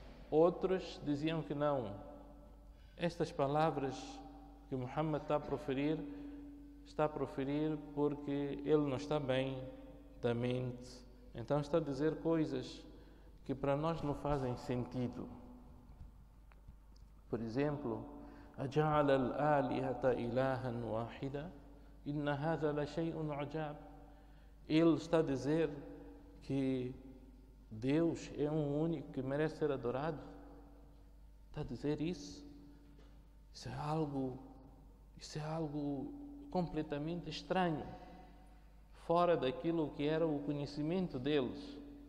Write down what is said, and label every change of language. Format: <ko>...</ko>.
<pt>Outros diziam que não, estas palavras que Muhammad está a proferir porque ele não está bem da mente. Então está a dizer coisas que para nós não fazem sentido. Por exemplo,</pt> <ar>أَجَعَلَ الْآلِهَةَ إِلَٰهًا وَاحِدًا إِنَّ هَذَا لَشَيْءٌ عَجَابٌ.</ar> <pt>Ele está a dizer que Deus é um único que merece ser adorado. Está a dizer isso? Isso é algo completamente estranho, fora daquilo que era o conhecimento deles.</pt>